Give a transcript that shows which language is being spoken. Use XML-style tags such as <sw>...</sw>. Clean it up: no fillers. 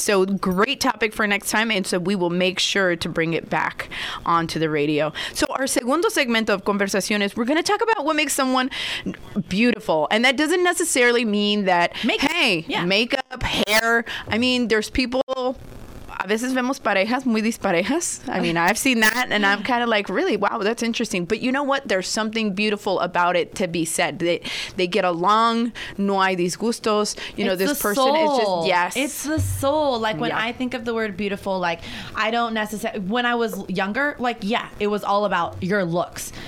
<en>So great topic for next time, and so we will make sure to bring it back onto the radio. So our</en> <es>segundo segmento</es> <en>of Conversaciones, we're going to talk about what makes someone beautiful, and that doesn't necessarily mean that, makeup, hair, I mean, there's people.</en> <es>A veces vemos parejas muy disparejas.</es> <en>I mean, I've seen that, and I'm kind of like, really? Wow, that's interesting. But you know what? There's something beautiful about it to be said. They get along.</en> <es>No hay disgustos.</es> <en>You know, it's this person soul. Is just, yes. It's the soul. Like, when I think of the word beautiful, like, I don't necessarily, when I was younger, like, yeah, it was all about your looks.</en>